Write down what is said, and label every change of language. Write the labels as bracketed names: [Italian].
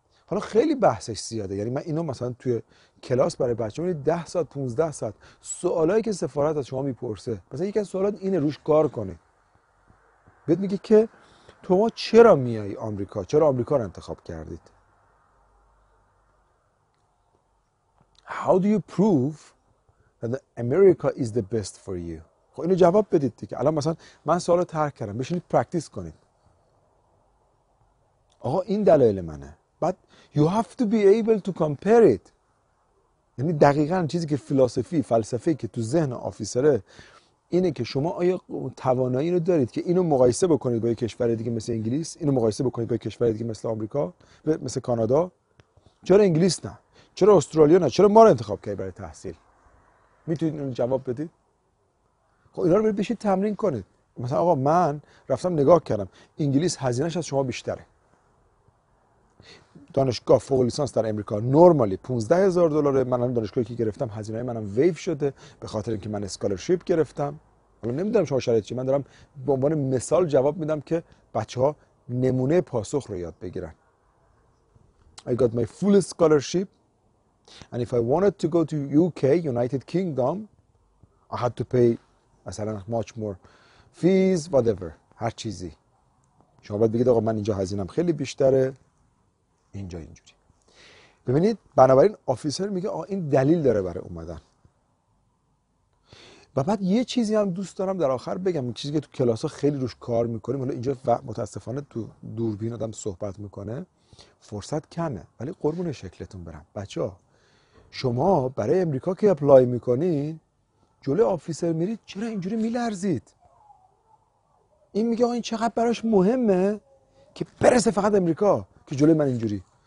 [Persian] حالا خیلی بحثش زیاده، یعنی من اینو مثلا توی کلاس برای بچه‌ها 10 ساعت 15 ساعت سوالایی که سفارت از شما میپرسه، مثلا یکی از سوالات اینه روش کار کنه، بهت میگه که تو ما چرا میای آمریکا، چرا آمریکا رو انتخاب کردید، [English] How do you prove that America is the best for you. [Persian] خب اینو جواب بدید دیگه. الان مثلا من سوالو ترک کردم، بشینید پرکتیس کنید. آقا این دلایل منه. [English] But you have to be able to compare it. [Persian] یعنی دقیقاً چیزی که فلسفه‌ای که تو ذهن آفیسره اینه که شما آیا توانایی رو دارید که اینو مقایسه بکنید با یک کشور دیگه مثل انگلیس، اینو مقایسه بکنید با یک کشور دیگه مثل آمریکا و مثل کانادا. چرا انگلیس نه؟ چرا استرالیا نه؟ چرا ما رو انتخاب کردی برای تحصیل؟ میتونید اینو جواب بدید؟ خب اینا رو بشید تمرین کنید. مثلا آقا من رفتم نگاه کردم، انگلیس هزینه‌اش از شما بیشتره. دانشگاه فوق لیسانس در امریکا نرمالی 15000 دلاره. من الان دانشگاهی که گرفتم هزینه منم ویو شده به خاطر اینکه من اسکالرشیپ گرفتم. حالا نمیدونم شما شرایط چی، من دارم به عنوان مثال جواب میدم که بچه‌ها نمونه پاسخ رو یاد بگیرن. [English] I got my full scholarship and if I wanted to go to UK United Kingdom I had to pay مثلا much more fees whatever. [Persian] هر چیزی شما باید بگید آقا من اینجا هزینه‌ام خیلی بیشتره، اینجا اینجوری. ببینید بنابراین آفیسر میگه آه این دلیل داره برای اومدن. و بعد یه چیزی هم دوست دارم در آخر بگم، چیزی که تو کلاس ها خیلی روش کار میکنیم، حالا اینجا متاسفانه تو دوربین آدم صحبت میکنه فرصت کمه، ولی قربون شکلتون برم بچه ها، شما برای امریکا که اپلای میکنین جلوی آفیسر میرید چرا اینجوری میلرزید؟ این میگه آه این چقدر براش مهمه که برسه فقط امریکا که جلوی من اینجوری.